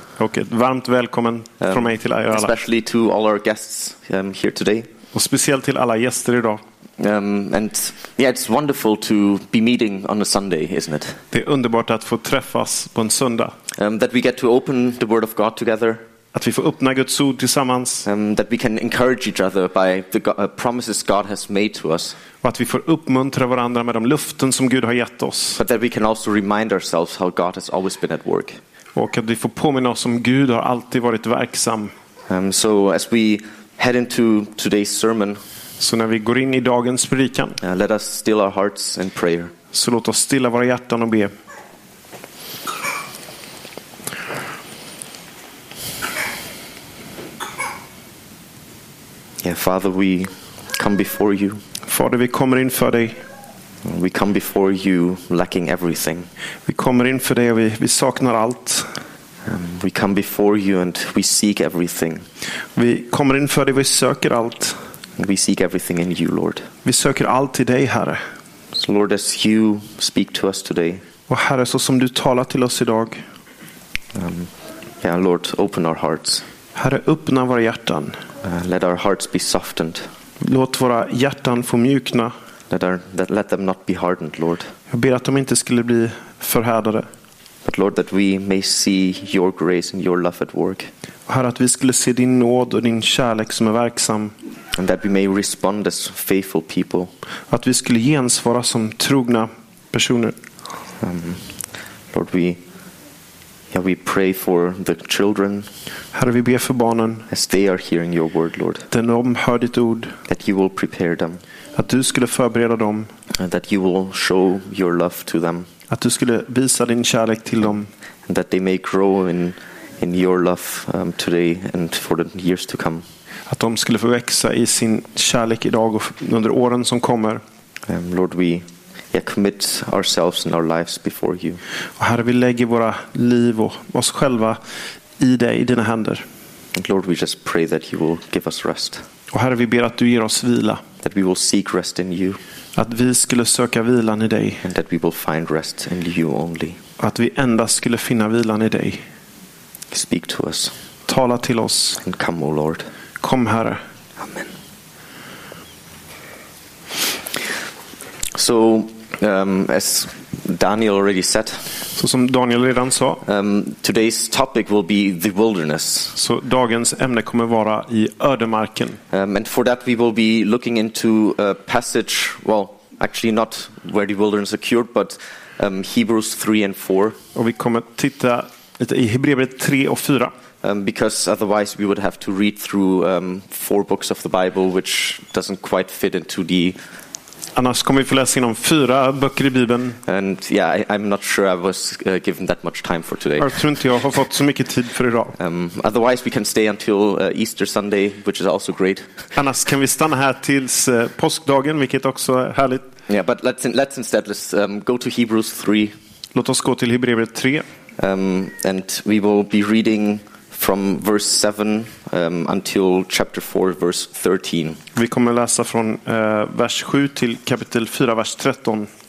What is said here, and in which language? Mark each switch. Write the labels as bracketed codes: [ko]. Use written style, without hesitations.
[sv] Okay, varmt välkommen från mig till alla. [en] Especially to all our guests here today. [sv] Och speciellt till alla gäster idag. [en] And yeah, it's wonderful to be meeting on a Sunday, isn't it? [sv] Det är underbart att få träffas på en söndag. [en] That we get to open the Word of God together. [sv] Att vi får öppna Guds ord tillsammans. [en] That we can encourage each other by the promises God has made to us. [sv] Och att vi får uppmuntra varandra med de löften som Gud har gett oss. [en] But that we can also remind ourselves how God has always been at work. [sv] Och att vi får påminna oss om Gud har alltid varit verksam. [en] So as we head into today's sermon. [sv] Så när vi går in i dagens predikan. [en] Let us still our hearts in prayer. [sv] Så låt oss stilla våra hjärtan och be. [en] Yeah, Father, we come before you. [sv] Fader, vi kommer inför dig. [en] We come before you lacking everything. [sv] Vi kommer inför dig och vi saknar allt. [en] We come before you and we seek everything. [sv] Vi kommer inför dig och vi söker allt. [en] And we seek everything in you, Lord. [sv] Vi söker allt i dig, Herre. [en] So Lord, as you speak to us today. [sv] Och Herre, så som du talar till oss idag. [en] Yeah, Lord, open our hearts. [sv] Herre, öppna våra hjärtan. [en] Let our hearts be softened. [sv] Låt våra hjärtan få mjukna. [en] Let them not be hardened, Lord. [sv] Jag ber att de inte skulle bli förhärdade. [en] But Lord, that we may see your grace and your love at work. [sv] Herre, att vi skulle se din nåd och din kärlek som är verksam. [en] And that we may respond as faithful people. [sv] Att vi skulle gensvara som trogna personer. [en] Lord, we pray for the children. [sv] Herre, vi ber för barnen. [en] As they are hearing your word, Lord. [sv] Den hör ditt ord. [en] That you will prepare them. [sv] Att du skulle förbereda dem. [en] And that you will show your love to them. [sv] Att du skulle visa din kärlek till dem. [en] And that they may grow in your love today and for the years to come. [sv] Att de skulle få växa i sin kärlek idag och under åren som kommer. [en] Lord, we commit ourselves and our lives before you. [sv] Och Herre, vi lägger våra liv och oss själva i dig, i dina händer. [en] And Lord, we just pray that you will give us rest. [sv] Och Herre, vi ber att du ger oss vila. [en] That we will seek rest in you. [sv] Att vi skulle söka vilan i dig. [en] And that we will find rest in you only. [sv] Att vi endast skulle finna vilan i dig. [en] Speak to us. [sv] Tala till oss. [en] And come, O Lord. [sv] Kom, Herre. [en] Amen. So, as Daniel already said. [sv] Så som Daniel redan sa. [en] Today's topic will be the wilderness. [sv] Så dagens ämne kommer vara i ödemarken. [en] And for that we will be looking into a passage, well, actually not where the wilderness occurred, but Hebrews 3 and 4. [sv] Och vi kommer titta lite i Hebreerbrevet 3 och 4. [en] Because otherwise we would have to read through four books of the Bible, which doesn't quite fit into the. [sv] Annars kommer vi få läsa inom fyra böcker i Bibeln. [en] And yeah, I'm not sure I was given that much time for today. [sv] Jag tror inte jag har fått så mycket tid för idag. [en] Otherwise we can stay until Easter Sunday, which is also great. [sv] Annars kan vi stanna här tills påskdagen, vilket också är härligt. [en] Yeah, but let's instead go to Hebrews 3. [sv] Låt oss gå till Hebreerbrevet 3. [en] And we will be reading from verse 7 until chapter 4 verse 13. [sv] Vi kommer läsa från vers 7 till kapitel 4 vers 13.